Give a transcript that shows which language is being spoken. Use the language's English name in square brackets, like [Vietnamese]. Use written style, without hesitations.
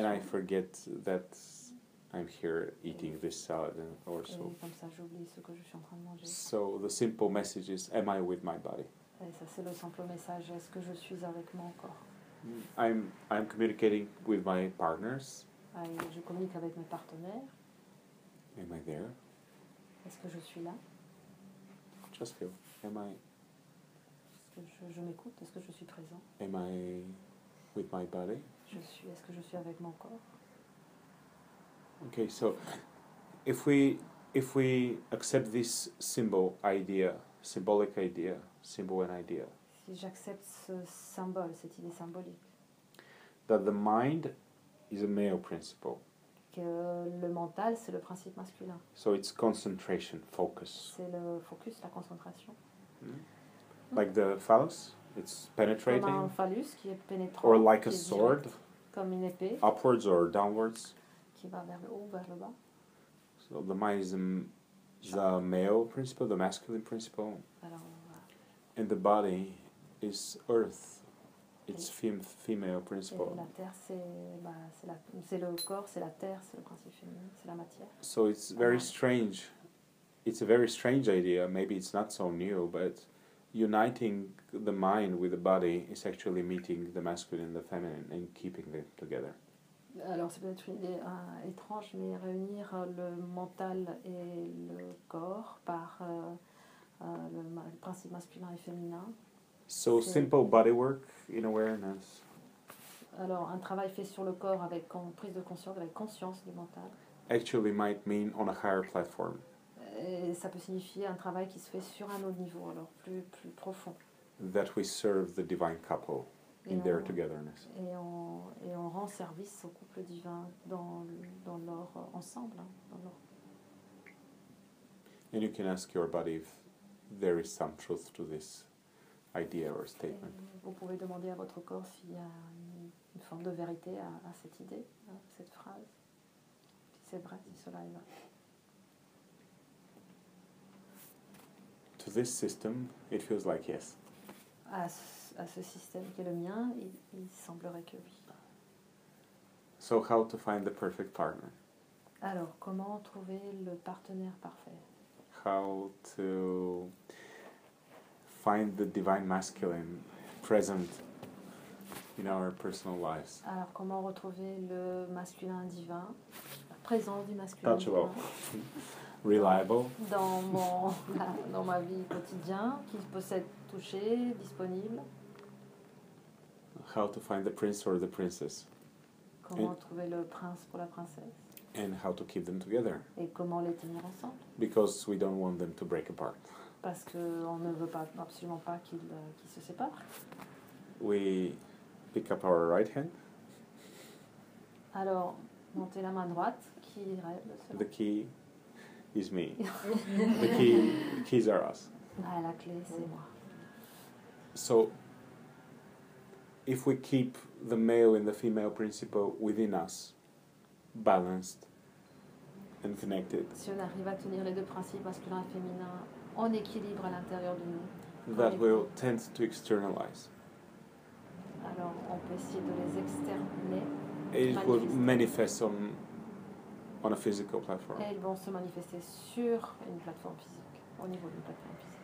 [English] And I forget that I'm here eating this salad or so. [French] Comme ça, j'oublie ce que je suis en train de manger. [English] So the simple message is, am I with my body? [French] Et ça, c'est le simple message, est-ce que je suis avec mon corps? [English] I'm communicating with my partners. [French] Je communique avec mes partenaires. [English] Am I there? [French] Est-ce que je suis là? [English] Just feel, am I [French] que je m'écoute? Est-ce que je suis présent? [English] Am I with my body? [French] Je suis, est-ce que je suis avec mon corps? [English] Okay, so if we accept this symbol idea, symbolic idea, symbol and idea. [French] Si j'accepte ce symbole, cette idée symbolique. [English] That the mind is a male principle. [French] Que le mental, c'est le principe masculin. [English] So it's concentration, focus. [French] C'est le focus, la concentration. [English] Mm. Like the phallus, it's penetrating. [French] Comme un phallus qui est pénétrant. [English] Or like a sword. [French] Comme une épée. [English] Upwards or downwards. [French] Qui va vers le haut, vers le bas. [English] So the mind is the male principle, the masculine principle. [French] Alors, [English] and the body is earth. It's female principle. [French] Et la terre, c'est le corps, c'est la terre, c'est le principe féminin, c'est la matière. [English] So it's very strange. It's a very strange idea. Maybe it's not so new, but uniting the mind with the body is actually meeting the masculine and the feminine and keeping them together. [French] Alors c'est peut-être une idée étrange, mais réunir le mental et le corps par le principe masculin et féminin. [English] So simple bodywork in awareness. [French] Alors un travail fait sur le corps avec prise de conscience, avec conscience du mental. [English] Actually might mean on a higher platform. [French] Et ça peut signifier un travail qui se fait sur un autre niveau, alors plus profond. [English] That we serve the divine couple in their togetherness. [French] Et on rend service au couple divin dans leur ensemble. Hein, dans leur... [English] And you can ask your body if there is some truth to this idea or statement. [French] Vous pouvez demander à votre corps s'il y a une forme de vérité à cette idée, à cette phrase, si c'est vrai, si cela est vrai. [English] To this system, it feels like yes. [French] À ce système qui est le mien, il semblerait que oui. [English] So how to find the perfect partner? [French] Alors, comment trouver le partenaire parfait? [English] How to find the divine masculine present in our personal lives? [French] Alors, comment retrouver le masculin divin, la présence du masculin divin? [English] Touchable. Reliable. [French] Dans ma vie quotidienne, qui possède toucher, disponible. [English] How to find the prince or the princess. [French] Comment trouver le prince pour la princesse. [English] And how to keep them together. [French] Et comment les tenir ensemble. [English] Because we don't want them to break apart. [French] Parce qu'on ne veut pas, absolument pas qu'ils se séparent. [English] We pick up our right hand. [French] Alors, montez la main droite, qui irait de cela. [English] The key is me. the keys are us. [French] Ah, la clé, c'est moi. [English] So, if we keep the male and the female principle within us, balanced and connected, [French] si on arrive à tenir les deux principes masculin et féminin en équilibre à l'intérieur de nous, [English] that will tend to externalize. [French] Alors, on peut essayer de les externer. [English] It will manifest on a physical platform. [French] Et ils vont se manifester sur une plateforme physique, au niveau d'une plateforme physique.